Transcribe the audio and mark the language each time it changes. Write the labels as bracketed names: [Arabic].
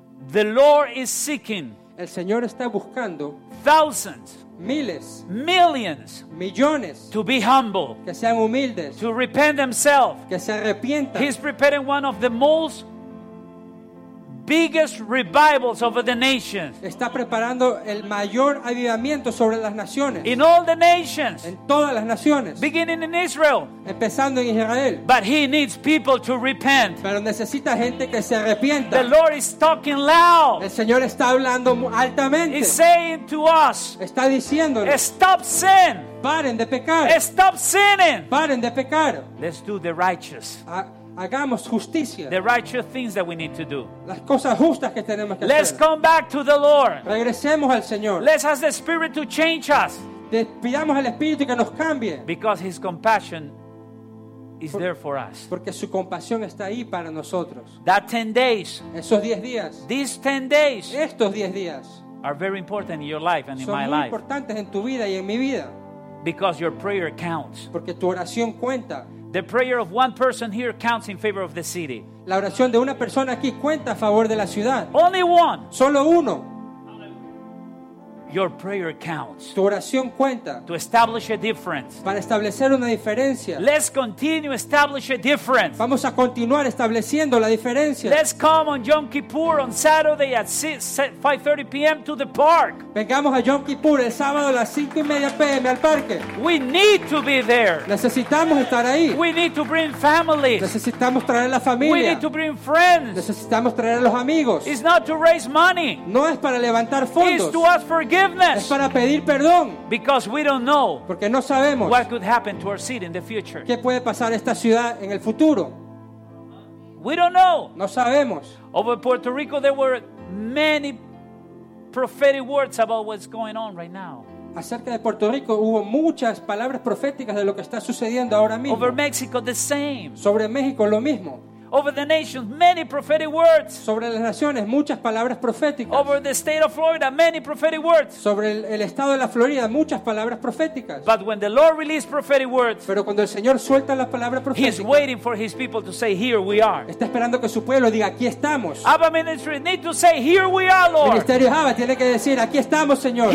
[English] The Lord is seeking, [Spanish] el Señor está buscando, [English] thousands, [Spanish] miles, [English] millions, [Spanish] millones, [English] to be humble, [Spanish] que sean humildes, [English] to repent themselves, [Spanish] que se arrepientan. [English] He's preparing one of the most biggest revivals over the nations. [Spanish] Está preparando el mayor avivamiento sobre las naciones. [English] In all the nations. [Spanish] En todas las naciones. [English] Beginning in Israel. [Spanish] Empezando en Israel. [English] But he needs people to repent. [Spanish] Pero necesita gente que se arrepienta. [English] The Lord is talking loud. [Spanish] El Señor está hablando altamente. [English] He's saying to us. [Spanish] Está diciéndonos. [English] Stop sin. [Spanish] Paren de pecar. [English] Stop sinning. [Spanish] Paren de pecar. [English] Let's do the righteous. [Spanish] Hagamos justicia. [English] The righteous things that we need to do. [Spanish] Las cosas justas que tenemos que [English] Let's [Spanish] hacer. [English] Come back to the Lord. [Spanish] Regresemos al Señor. [English] Let's ask the Spirit to change us. [Spanish] Pidamos al Espíritu que nos cambie. [English] Because His compassion is there for us. [Spanish] Porque su compasión está ahí para nosotros. [English] That 10 days. [Spanish] Esos 10 días. [English] These 10 days. [Spanish] Estos 10 días. [English] are very important in your life and in my life. [Spanish] Importantes en tu vida y en mi vida. [English] Because your prayer counts. [Spanish] Porque tu oración cuenta. [English] The prayer of one person here counts in favor of the city. [Spanish] La oración de una persona aquí cuenta a favor de la ciudad. [English] Only one. [Spanish] Solo uno. [English] Your prayer counts. [Spanish] Tu oración cuenta. [English] To establish a difference. [Spanish] Para establecer una diferencia. [English] Let's continue establish a difference. [Spanish] Vamos a continuar estableciendo la diferencia. [English] Let's come on Yom Kippur on Saturday at 5:30 p.m. to the park. [Spanish] Vengamos a Yom Kippur el sábado a las 5:30 p.m. al parque. [English] We need to be there. [Spanish] Necesitamos estar ahí. [English] We need to bring families. [Spanish] Necesitamos traer la familia. [English] We need to bring friends. [Spanish] Necesitamos traer los amigos. [English] It's not to raise money. [Spanish] No es para levantar fondos. [English] It's to ask for forgiveness. [Spanish] Es para pedir perdón. [English] Because we don't know. [Spanish] Porque no sabemos. [English] What could happen to our city in the future? [Spanish] ¿Qué puede pasar a esta ciudad en el futuro? [English] We don't know. [Spanish] No sabemos. [English] Over Puerto Rico there were many prophetic words about what's going on right now. [Spanish] Acerca de Puerto Rico hubo muchas palabras proféticas de lo que está sucediendo ahora mismo. [English] Over Mexico the same. [Spanish] Sobre México lo mismo. [English] Over the nations, many prophetic words. [Spanish] Sobre las naciones, muchas palabras proféticas. [English] Over the state of Florida, many prophetic words. [Spanish] Sobre el estado de la Florida, muchas palabras proféticas. [English] But when the Lord releases prophetic words, [Spanish] pero cuando el Señor suelta las palabras proféticas, [English] He's waiting for His people to say, "Here we are." [Spanish] Está esperando que su pueblo diga, "Aquí estamos." [English] Abba Ministry need to say, "Here we are, Lord." [Spanish] Ministerio Abba tiene que decir, "Aquí estamos, Señor."